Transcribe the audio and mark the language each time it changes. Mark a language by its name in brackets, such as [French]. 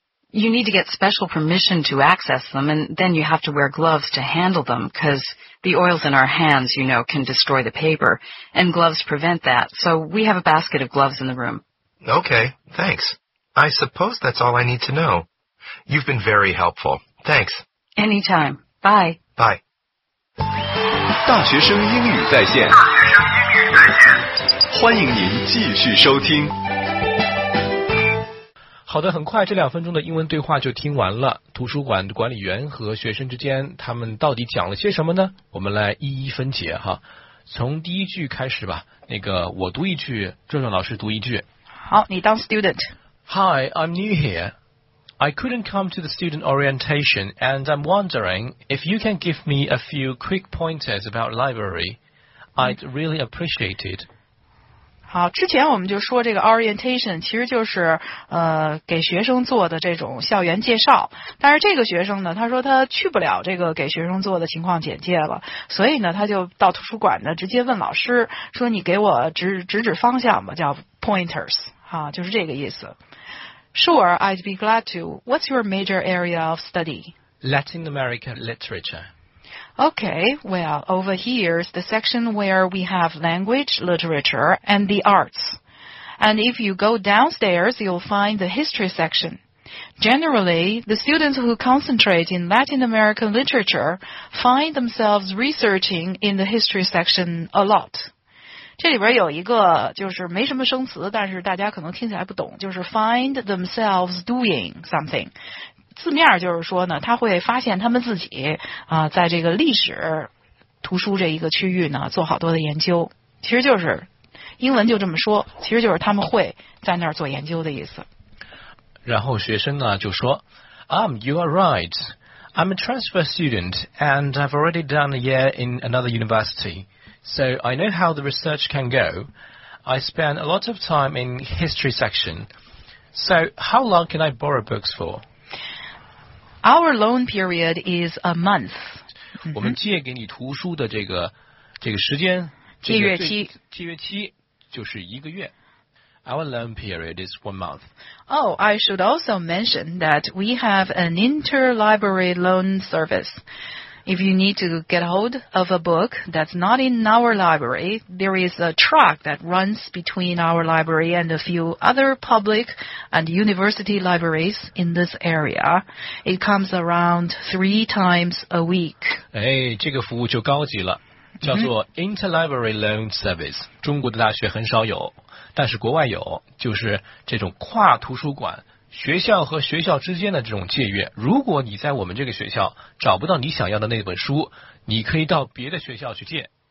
[English] You need to get special permission to access them, and then you have to wear gloves to handle them, because... The oils in our hands, you know, can destroy the paper, and gloves prevent that, so we have a basket of gloves in the room. Okay, thanks. I suppose that's all I need to know. You've been very helpful. Thanks. Anytime. Bye. Bye. [Chinese] 大学生英语在线，欢迎您继续收听。好的，很快这两分钟的英文对话就听完了。图书馆的管理员和学生之间，他们到底讲了些什么呢？我们来一一分解哈。从第一句开始吧，那个我读一句，壮壮老师读一句。好，你当 student。 [English] Hi, I'm new here. I couldn't come to the student orientation, and I'm wondering if you can give me a few quick pointers about library. I'd really appreciate it. [Chinese] 好，之前我们就说这个 orientation 其实就是给学生做的这种校园介绍，但是这个学生呢，他说他去不了这个给学生做的情况简介了，所以呢，他就到图书馆呢直接问老师说你给我指方向吧，叫 pointers。啊，就是这个意思。 [English] Sure, I'd be glad to. What's your major area of study? Latin American literature. Okay, well, over here is the section where we have language, literature, and the arts. And if you go downstairs, you'll find the history section. Generally, the students who concentrate in Latin American literature find themselves researching in the history section a lot. [Chinese] 这里边有一个就是没什么生词，但是大家可能听起来不懂，就是 [English] find themselves doing something。 [Chinese] 字面就是说呢，他会发现他们自己在这个历史图书这一个区域呢做好多的研究。其实就是英文就这么说，其实就是他们会在那儿做研究的意思。然后学生呢就说 [English] you are right. I'm a transfer student and I've already done a year in another university. So I know how the research can go. I spend a lot of time in history section. So how long can I borrow books for? Our loan period is a month. [Chinese] 我们借给你图书的这个时间，借阅期就是一个月。 [English] Our loan period is 1 month. Oh, I should also mention that we have an interlibrary loan service. If you need to get hold of a book that's not in our library, there is a truck that runs between our library and a few other public and university libraries in this area. It comes around 3 times a week. [Chinese] 哎，这个服务就高级了，叫做 interlibrary loan service。中国的大学很少有，但是国外有，就是这种跨图书馆。学校和学校之间的这种借阅，如果你在我们这个学校找不到你想要的那本书，你可以到别的学校去借。